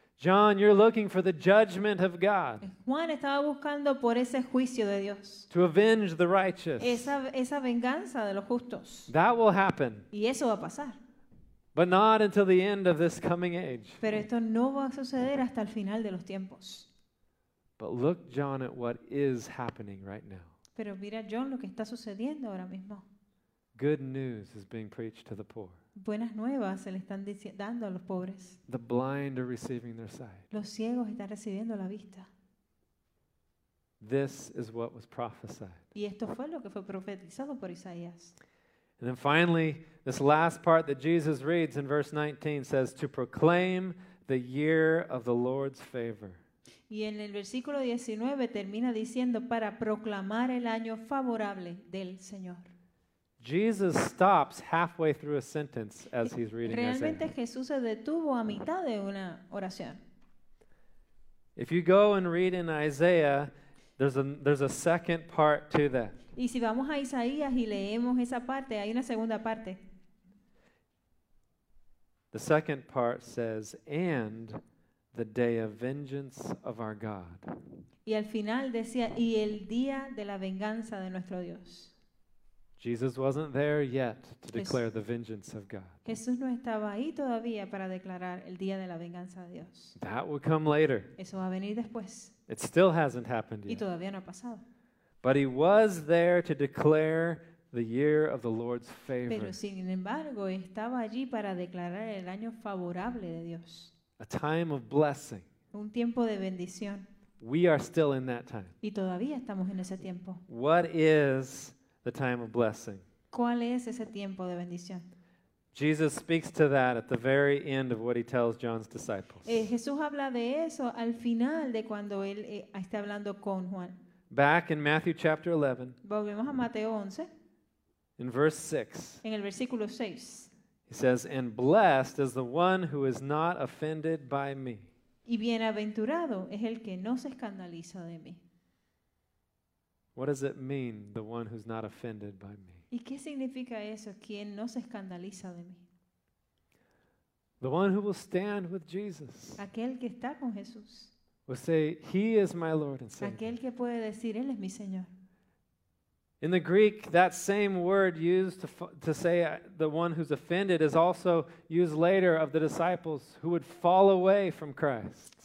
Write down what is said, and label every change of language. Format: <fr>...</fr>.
<en>John, you're looking for the judgment of God.</en> <es>Juan estaba buscando por ese juicio de Dios.</es> <en>To avenge the righteous.</en> <es>Esa venganza de los justos.</es> <en>That will happen.</en> <es>Y eso va a pasar.</es> <en>But not until the end of this coming age.</en> <es>Pero esto no va a suceder hasta el final de los tiempos.</es> <en>But look, John, at what is happening right now.</en> <es>Pero mira, John, lo que está sucediendo ahora mismo.</es> <en>Good news is being preached to the poor.</en> <es>buenas nuevas se le están dando a los pobres.</es> <en>The blind are receiving their sight.</en> <es>Los ciegos están recibiendo la vista.</es> <en>This is what was prophesied.</en> <es>Y esto fue lo que fue profetizado por Isaías.</es> <en>And then finally, this last part that Jesus reads in verse 19 says, to proclaim the year of the Lord's favor.</en> <es>Y en el versículo 19 termina diciendo, para proclamar el año favorable del Señor.</es> <en>Jesus stops halfway through a sentence as he's reading Isaiah.</en> <es>Realmente Jesús se detuvo a mitad de una oración.</es> <en>If you go and read in Isaiah, there's a second part to that.</en> <es>Y si vamos a Isaías y leemos esa parte, hay una segunda parte.</es> <en>The second part says, and the day of vengeance of our God.</en> <es>Y al final decía, y el día de la venganza de nuestro Dios.</es> <en>Jesus wasn't there yet to declare the vengeance of God.</en> <es>Jesús no estaba ahí todavía para declarar el día de la venganza de Dios.</es> <en>That will come later.</en> <es>Eso va a venir después.</es> <en>It still hasn't happened yet.</en> <es>Y todavía no ha pasado.</es> <en>But he was there to declare the year of the Lord's favor.</en> <es>Pero sin embargo, estaba allí para declarar el año favorable de Dios.</es> <en>A time of blessing.</en> <es>Un tiempo de bendición.</es> <en>We are still in that time.</en> <es>Y todavía estamos en ese tiempo.</es> <en>What is the time of blessing?</en> <es>¿Cuál es ese tiempo de bendición?</es> <en>Jesus speaks to that at the very end of what he tells John's disciples.</en> <es>Jesús habla de eso al final de cuando él está hablando con Juan.</es> <en>Back in Matthew chapter 11.</en> <es>Volvemos a Mateo 11.</es> <en>In verse 6.</en> <es>En el versículo 6.</es> <en>He says, "And blessed is the one who is not offended by me."</en> <es>Y bienaventurado es el que no se escandaliza de mí.</es> <en>What does it mean, the one who's not offended by me?</en> <es>¿Y qué significa eso, quien no se escandaliza de mí?</es> <en>The one who will stand with Jesus.</en> <es>Aquel que está con Jesús.</es> <en>Will say, "He is my Lord and Savior."</en> <es>Aquel que puede decir, él es mi Señor.</es> <en>In the Greek, that same word used to say the one who's offended is also used later of the disciples who would fall away from Christ.</en>